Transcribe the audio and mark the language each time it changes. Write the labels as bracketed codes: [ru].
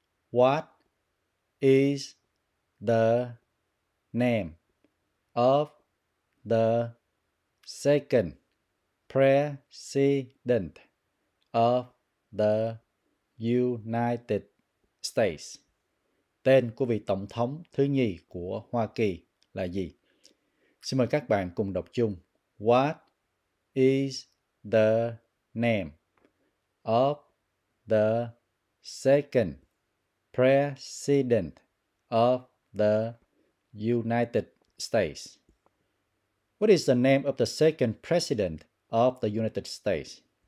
[en] What is the name of the second president of the United States? [vi] Tên của vị tổng thống thứ nhì của Hoa Kỳ là gì? Xin mời các bạn cùng đọc chung. [en] What is the name of the second president of the United States? What is the name of the second president of the United States?